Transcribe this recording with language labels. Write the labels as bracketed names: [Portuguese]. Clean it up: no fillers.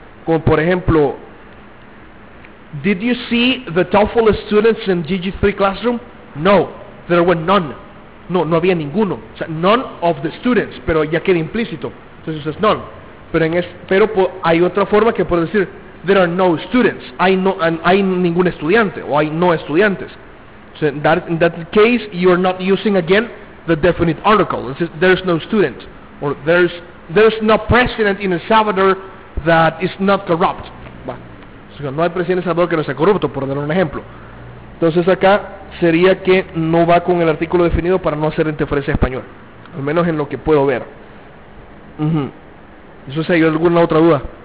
[Spanish] Como por ejemplo, [English] did you see the TOEFL students in GG3 classroom? No, there were none. [Spanish] No, no había ninguno. O sea, [English] none of the students, [Spanish] pero ya queda implícito. Entonces es none. Pero hay otra forma que puede decir, [English] there are no students. [Spanish] Hay ningún estudiante o hay no estudiantes. [English] So in that case, you're not using again the definite article. It says, there's no student. Or there's no president in El Salvador that is not corrupt. [Spanish] Va. No hay presidente salvador que no sea corrupto, por dar un ejemplo. Entonces acá sería que no va con el artículo definido para no hacer interferencia español, al menos en lo que puedo ver. Eso sería alguna otra duda.